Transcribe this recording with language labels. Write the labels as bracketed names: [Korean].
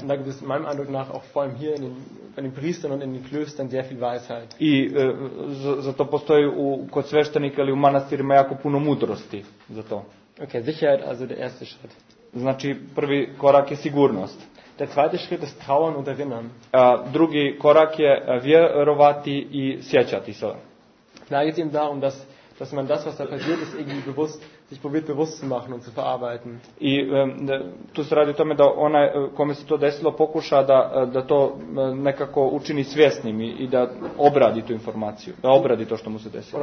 [German] Da gibt es meinem Eindruck nach auch vor allem hier bei den Priestern und in den Klöstern sehr viel Weisheit. [Serbian] I zato postoji kod sveštenika ili u manastirima jako puno mudrosti za to. [German] Okay, Sicherheit also der erste Schritt. [Serbian] Znači, prvi korak je sigurnost. [German] Der zweite Schritt ist trauern und erinnern. [Serbian] Drugi korak je vjerovati i sjećati se. [German] Da geht es eben darum, dass man das, was da passiert ist, irgendwie bewusst, sich probiert bewusst zu machen und zu verarbeiten. [Serbian] I tu se radi o tome da onaj kome se to desilo pokuša da to nekako učini svjesnim i da obradi tu informaciju, da obradi to što mu se desilo.